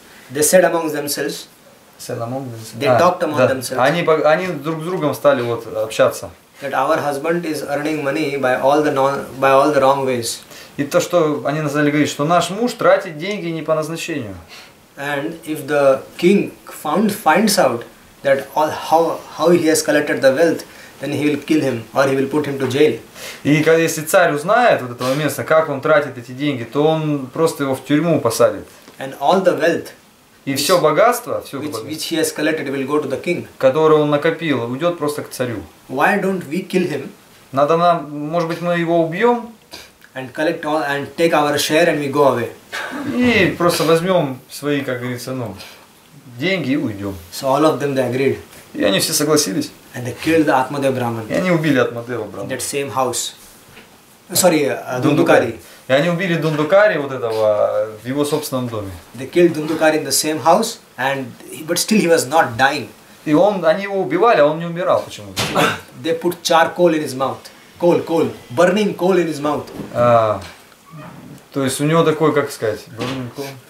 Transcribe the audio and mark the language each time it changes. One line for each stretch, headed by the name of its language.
English: They said amongst themselves. They talked among themselves.
Russian: Они друг с другом стали вот общаться.
English: That our husband is earning money by all the wrong ways.
Russian: И то, что они начали говорить, что наш муж тратит деньги не по назначению.
English: And if the king finds out that all how he has collected the wealth, then he will kill him or he will put him to jail.
Russian: И если царь узнает вот этого места, как он тратит эти деньги, то он просто его в тюрьму посадит.
English: And all the wealth.
Russian: И все богатство, все
English: which he has collected, will go to the king.
Russian: Которое он накопил, уйдет просто к царю.
English: Why don't we kill him?
Russian: Надо нам, может быть, мы его убьем?
English: And collect all and take our share and we go away.
Russian: И просто возьмем свои, как говорится, деньги и уйдем.
English: So all of them they agreed.
Russian: И они все согласились.
English: And they killed the Atmadeva Brahman.
Russian: И они убили Атмадева Брахмана.
English: That same house. Sorry, Dundukari.
Russian: И они убили Дундукари вот этого в его собственном доме.
English: They killed Dundukari in the same house, but still he was not dying.
Russian: И они его убивали, а он не умирал почему-то.
English: They put charcoal in his mouth. Coal, burning coal in his mouth.
Russian: То есть у него такой, как сказать,
English: burning coal?